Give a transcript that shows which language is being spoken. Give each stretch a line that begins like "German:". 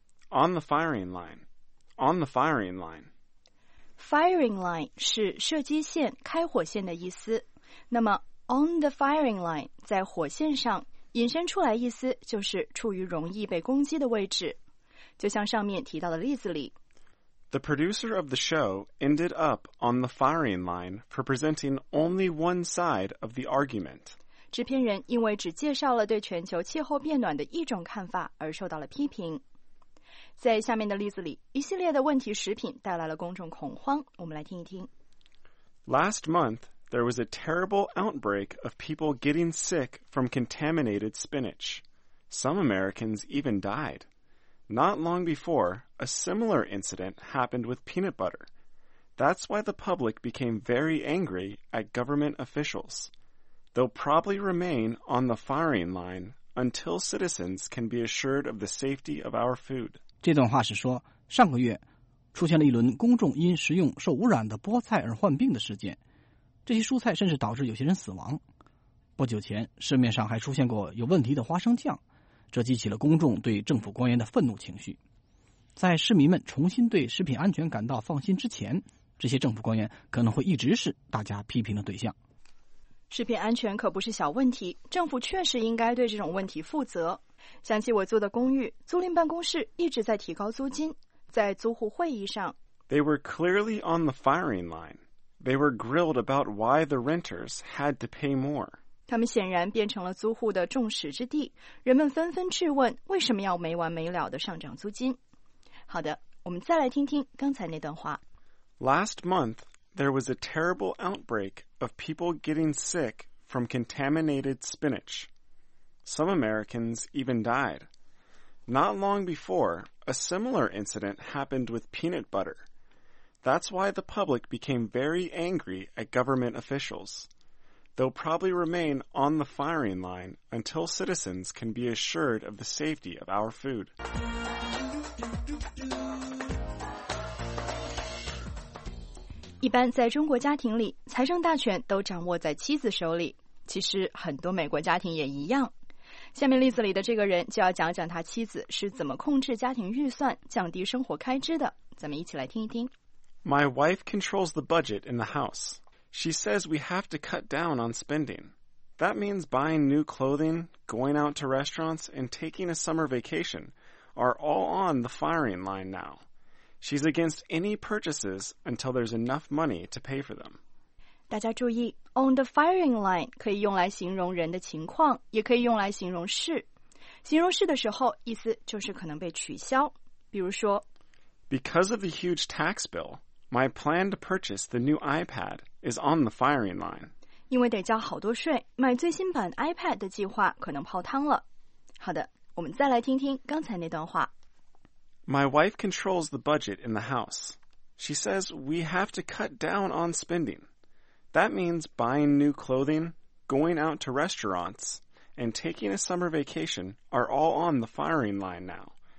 English: On the firing line. On the firing line. Firing line
Chinese: 是射击线、开火线的意思。那么
English: On the firing line,
Chinese: 在火线上引申出来意思就是处于容易被攻击的位置。就像上面提到的例子里。
English: The producer of the show ended up on the firing line for presenting only one side of the argument.
Chinese: 制片人因为只介绍了对全球气候变暖的一种看法而受到了批评。在下面的例子里，一系列的问题食品带来了公众恐慌，我们来听一听。
English: Last month,There was a terrible outbreak of people getting sick from contaminated spinach. Some Americans even died. Not long before, a similar incident happened with peanut butter. That's why the public became very angry at government officials. They'll probably remain on the firing line until citizens can be assured of the safety of our food.
Chinese: 这段话是说，上个月出现了一轮公众因食用受污染的菠菜而患病的事件。这些蔬菜甚至导致有些人死亡。不久前，市面上还出现过有问题的花生酱，这激起了公众对政府官员的愤怒情绪。在市民们重新对食品安全感到放心之前，这些政府官员可能会一直是大家批评的对象。食品安全可不是小问题，政府确实应该对这种问题负责。想起我租的公寓，租赁办公室一直在提高租金，在租户会议上
English: They were clearly on the firing line. They were grilled about why the renters had to pay more.
Chinese: 他们显然变成了租户的众矢之的，人们纷纷质问为什么要没完没了的上涨租金。好的，我们再来听听刚才那段话。
English: Last month, there was a terrible outbreak of people getting sick from contaminated spinach. Some Americans even died. Not long before, a similar incident happened with peanut butter. That's why the public became very angry at government officials. They'll probably remain on the firing line until citizens can be assured of the safety of our food.
Chinese: 一般在中国家庭里，财政大权都掌握在妻子手里。其实很多美国家庭也一样。下面例子里的这个人就要讲讲他妻子是怎么控制家庭预算、降低生活开支的。咱们一起来听一听。
English: My wife controls the budget in the house. She says we have to cut down on spending. That means buying new clothing, going out to restaurants, and taking a summer vacation are all on the firing line now. She's against any purchases until there's enough money to pay for them.
Chinese: 大家注意 ,
English: on the firing line
Chinese: 可以用来形容人的情况，也可以用来形容事。形容事的时候，意思就是可能被取消。比如说
English: ,Because of the huge tax bill, my plan to purchase the new iPad is on the firing line.
Chinese: 因为得交好多税，买最新版 iPad 的计划可能泡汤了。好的，我们再来听听刚才那段话。
English: My wife controls the budget in the house. She says we have to cut down on spending. That means buying new clothing, going out to restaurants, and taking a summer vacation are all on the firing line now.